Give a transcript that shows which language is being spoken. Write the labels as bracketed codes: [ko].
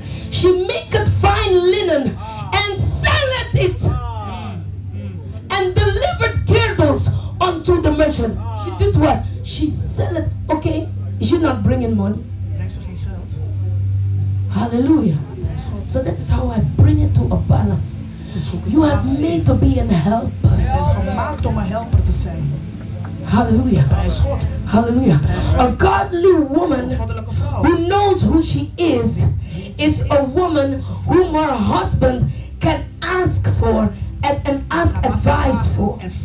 [en] She maketh fine linen and selleth it and delivered girdles unto the merchant. She did what? She selleth. Okay, she's not bringing money. Hallelujah. So that is how I bring it to a balance. You have made to be a helper. [nl] Ik ben gemaakt om een helper te zijn. [en] Hallelujah. [nl] Prijs God. [en] Hallelujah. [nl] Prijs God. [en] A godly woman who knows who she is, is a woman whom her husband can ask for and ask advice for.